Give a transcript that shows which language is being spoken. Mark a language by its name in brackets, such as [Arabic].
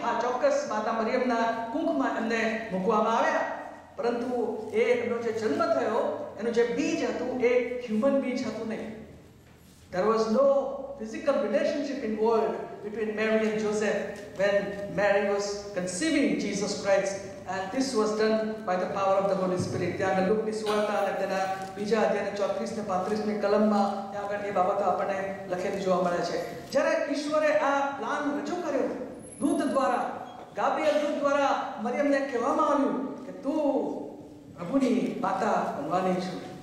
[Gujarati] હા, ચોક્કસ માતા મરિયમના કુંખમાં એમને મૂકવામાં આવ્યા, પરંતુ એનો જે જન્મ થયો એનું જે બીજ હતું એ હ્યુમન બીજ હતું નહીં. [English] There was no physical relationship in world between Mary and Joseph when Mary was conceiving Jesus Christ. And this was done by the power of the Holy Spirit. [Gujarati] ત્યાં આગળ લુકની સુવાર્તા અને તેના બીજા અધ્યાયના 34-35 કલમમાં ત્યાં આગળ એ બાબતો આપણને લખેલી જોવા મળે છે. જ્યારે ઈશ્વરે આ પ્લાન રજૂ કર્યો દૂત દ્વારા, ગાબ્રિયલ દૂત દ્વારા મરિયમને કહેવામાં આવ્યું કે તું પ્રભુની માતા બનવાની છું.